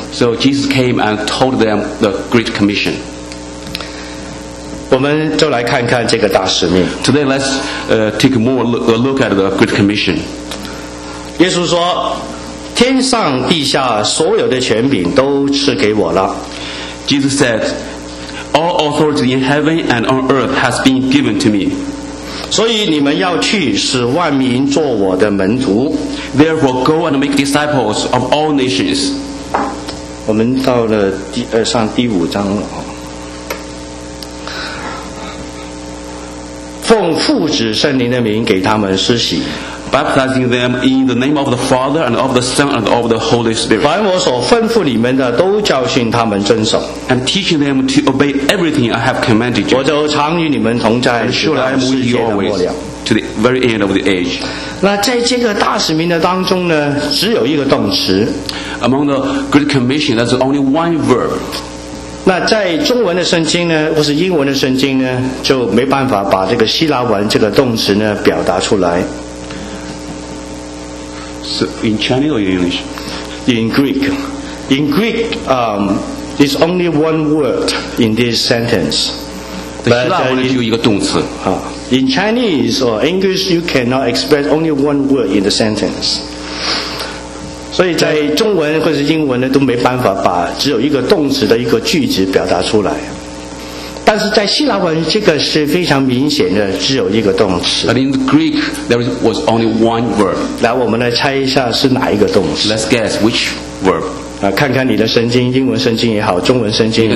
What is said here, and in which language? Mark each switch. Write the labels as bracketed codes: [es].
[en] So Jesus came and told them the Great Commission. [zh] 我们就来看看这个大使命。 [en] Today let's take more look at the Great Commission. [zh] 耶稣说：“天上地下所有的权柄都赐给我了。” [en] Jesus said, "All authority in heaven and on earth has been given to me." [zh] 所以你们要去使万民做我的门徒。 [en] Therefore, go and make disciples of all nations. [zh] 我们到了第二上第五章了。奉父子圣灵的名给他们施洗。 [en] Baptizing them in the name of the Father and of the Son and of the Holy Spirit. [zh] 凡我所吩咐你们的，都教训他们遵守。 [en] And teaching them to obey everything I have commanded you. [zh] 我就常与你们同在，直到世界的末了。 [en] And surely I am with you always, to the very end of the age. [zh] 那在这个大使命的当中呢，只有一个动词。 [en] Among the Great Commission, there's only one verb. [zh] 那在中文的圣经呢，或是英文的圣经呢，就没办法把这个希腊文这个动词呢表达出来。 [en] So in Chinese or in English? In Greek. In Greek, It's only one word in this sentence. [zh] 希腊文里只有一个动词。 [en] In Chinese or English, you cannot express only one word in the sentence. [zh] 所以在中文或者英文呢，都没办法把只有一个动词的一个句子表达出来。但是在希腊文，这个是非常明显的，只有一个动词。 [en] But in Greek, there was only one verb. [zh] 来，我们来猜一下是哪一个动词。 [en] Let's guess which verb. [zh] 看看你的圣经，英文圣经也好，中文圣经也好。